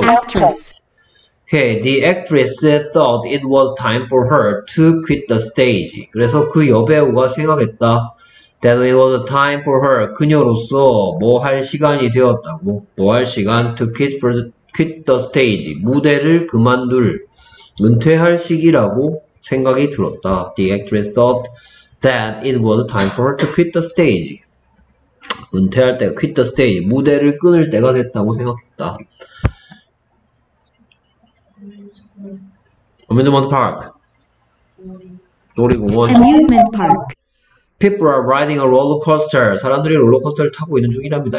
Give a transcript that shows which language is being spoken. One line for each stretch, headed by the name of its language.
English: Okay, the actress thought it was time for her to quit the stage.
Korean: 그래서 그 여배우가 생각했다.
English: That it was time for her,
Korean: 그녀로서 뭐 할 시간이 되었다고. 뭐 할 시간,
English: to quit the stage.
Korean: 무대를 그만둘, 은퇴할 시기라고 생각이 들었다.
English: The actress thought that it was time for her to quit the stage.
Korean: 은퇴할 때가,
English: quit the stage.
Korean: 무대를 끊을 때가 됐다고 생각했다.
English: Amusement park.
Korean: 놀이공원.
English: Amusement park. People are riding a roller coaster.
Korean: 사람들이 롤러코스터를 타고 있는 중이랍니다.